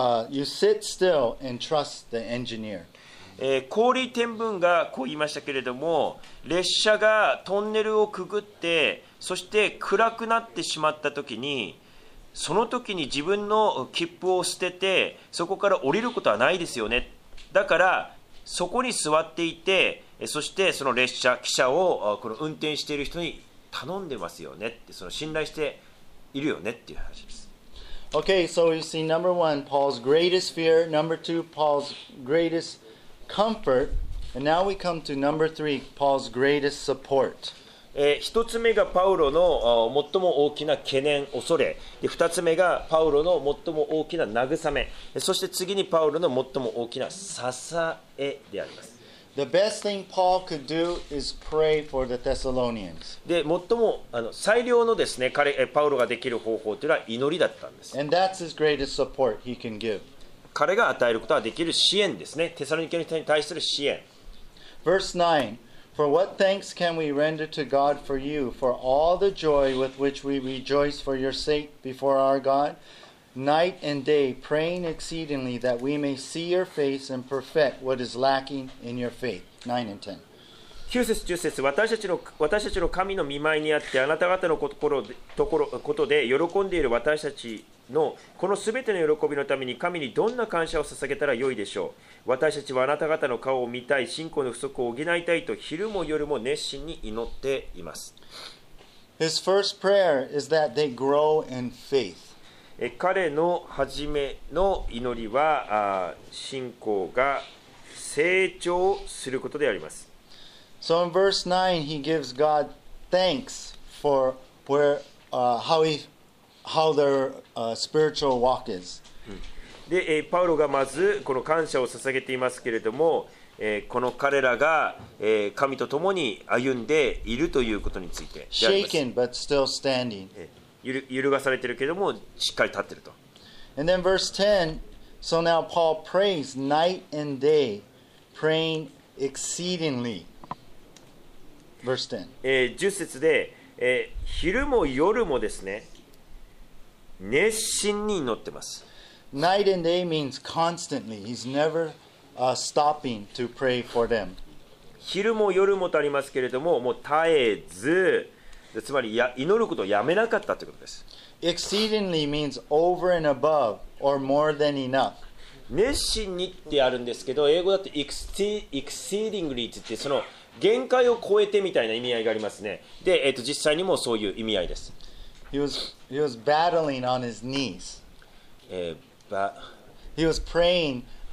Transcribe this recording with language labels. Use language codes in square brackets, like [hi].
[en] You sit still and trust the engineer. [ja] コーリー・テンブンがこう言いましたけれども、列車がトンネルをくぐって、そして暗くなってしまったときに、その時に自分の切符を捨てて、そこから降りることはないですよね。だから、そこに座っていて、そしてその列車、汽車をこの運転している人に頼んでますよねって、その信頼しているよねっていう話です。 [en] Okay, so you see, number one, Paul's greatest fear, number two, Paul's greatest comfort, and now we come to number three, Paul's greatest support. [ja] 一つ目がパウロの最も大きな懸念、恐れ、で、二つ目がパウロの最も大きな慰め、そして次にパウロの最も大きな支えであります。 [en] The best thing Paul could do is pray for the Thessalonians. [ja] で、最も最良のですね、パウロができる方法というのは祈りだったんです。 [en] And that's his greatest support he can give. [ja] 彼が与えることができる支援ですね、テサロニケの人に対する支援。 [en] Verse 9. For what thanks can we render to God for you for all the joy with which we rejoice for your sake before our God? Night and day, praying exceedingly that we may see your face and perfect what is lacking in your faith. 9 and 10. [ja] 9節10節、私たちの神の御前にあって、あなた方のことで喜んでいる私たちのこのすべての喜びのために神にどんな感謝を捧げたらよいでしょう。私たちはあなた方の顔を見たい、信仰の不足を補いたいと昼も夜も熱心に祈っています。 [en] His first prayer is that they grow in faith. [ja] 彼の初めの祈りは信仰が成長することであります。 [en] So in verse 9 he gives God thanks for where, how their spiritual walk is. [ja] で、パウロがまずこの感謝を捧げていますけれども、この彼らが、神と共に歩んでいるということについてであります。 [en] Shaken but still standing. [ja] 揺るがされているけれどもしっかり立っていると。 [en] And then verse 10, so now Paul prays night and day, praying exceedingly. Verse 10. [ja] 10節で、昼も夜もですね、熱心に祈ってます。 [en] Night and day means constantly. He's never stopping to pray for them. [ja] 昼も夜もとありますけれども、もう絶えず、つまり祈ることをやめなかったということです。 [en] Exceedingly means over and above or more than enough. [ja] 熱心にってあるんですけど、英語だと exceedingly って言って、その限界を超えてみたいな意味合いがありますね。で、実際にもそういう意味合いです。 [en] He was battling on his knees. He was praying.